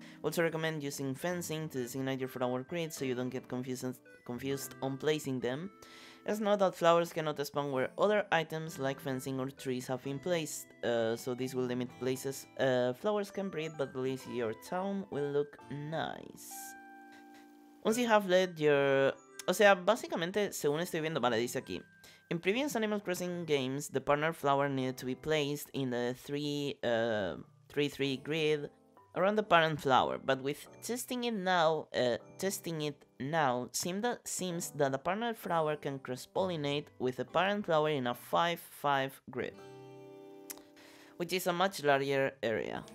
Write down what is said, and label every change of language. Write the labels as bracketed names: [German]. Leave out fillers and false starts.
[English] We also recommend using fencing to designate your flower grid so you don't get confused on placing them. Just know that flowers cannot spawn where other items like fencing or trees have been placed, so this will limit places flowers can breed, but at least your town will look nice. Once you have led your... [Spanish] O sea, básicamente, según estoy viendo, vale, dice aquí. [English] In previous Animal Crossing games, the partner flower needed to be placed in the 3-3 grid around the parent flower, but with testing it now, seems that the partner flower can cross-pollinate with the parent flower in a 5-5 grid, which is a much larger area.